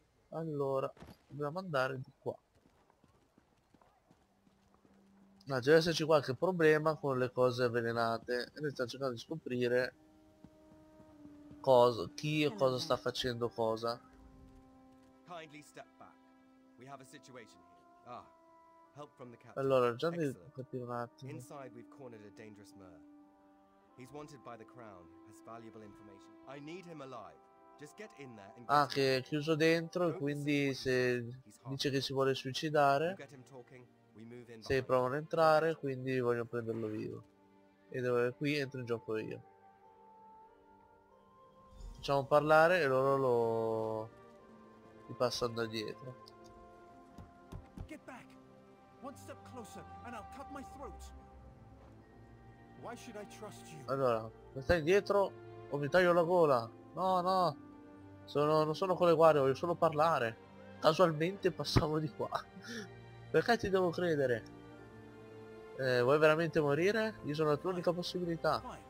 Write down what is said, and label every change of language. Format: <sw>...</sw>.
<it>Allora, dobbiamo andare di qua. Ma deve esserci qualche problema con le cose avvelenate. E noi stiamo cercando di scoprire cosa, chi e cosa sta facendo cosa.</it> <en>kindly step back. We have a situation here. Ah, help from the captain.</en> <it>Allora, già mi capivo un attimo.</it> <en>Inside we've cornered a dangerous mer. He's wanted by the crown, has valuable information. I need him alive. Just get in there and get</en> <it>ah, che è chiuso dentro, quindi se dice che si vuole suicidare, se provano ad entrare, quindi voglio prenderlo vivo. Ed è qui, entro in gioco io. Facciamo parlare e loro lo... gli passano da dietro.</it> <en>Get back! One step closer and I'll cut my throat! Why should I trust you?</en> <it>Allora, mi stai indietro o mi taglio la gola? No, no! Sono, non sono con le guardie, voglio solo parlare. Casualmente passavo di qua. Perché ti devo credere? Vuoi veramente morire? Io sono la tua unica possibilità.</it>